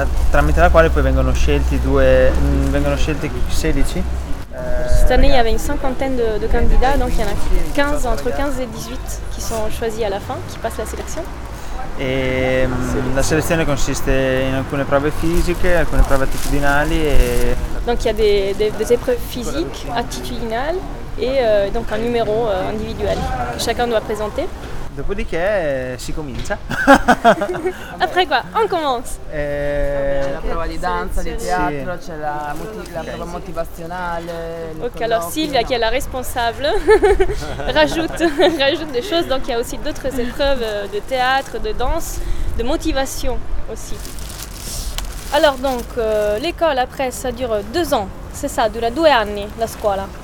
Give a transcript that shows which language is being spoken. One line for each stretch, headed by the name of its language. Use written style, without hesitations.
Italian: Tramite la quale poi vengono scelti 16.
French: Cette année, il y avait une cinquantaine de candidats, donc il y en a 15, entre 15 et 18 qui sont choisis à la fin, qui passent la sélection. Et la sélection consiste en
Italian: alcune prove fisiche, alcune prove attitudinali.
French: Donc il y a des épreuves physiques, attitudinales et donc un numéro individuel que chacun doit présenter.
Italian: Dopodiché si comincia.
French: Après quoi? On commence.
Italian: La prova di danza, di teatro, sì. C'è la prova motivazionale.
French: Ok, alors Silvia, qui est la responsable, rajoute des choses. Donc il y a aussi d'autres épreuves de théâtre, de danse, de motivation aussi. Alors donc, l'école après, ça dure 2 ans. C'est ça,
Italian: dura 2 anni, la scuola.